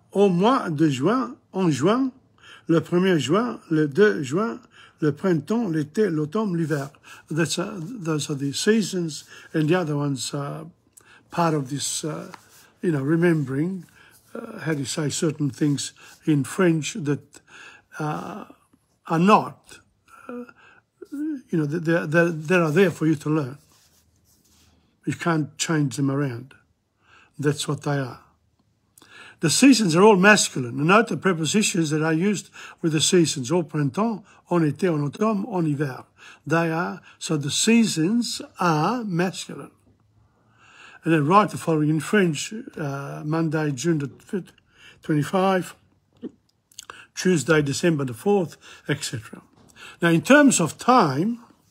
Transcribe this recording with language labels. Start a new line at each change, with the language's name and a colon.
French: Au mois de juin, en juin, le 1er juin, le 2 juin, le printemps, l'été, l'automne, l'hiver.
English: Those are the seasons, and the other ones are part of this, remembering how to say certain things in French that are not. They are there for you to learn. You can't change them around. That's what they are. The seasons are all masculine. And note the prepositions that are used with the seasons.
French: Au printemps, en été, en automne, en hiver.
English: They are, so the seasons are masculine. And then write the following in French, Monday, June the 5th, 25th, Tuesday, December the 4th, etc. Now, in terms of time,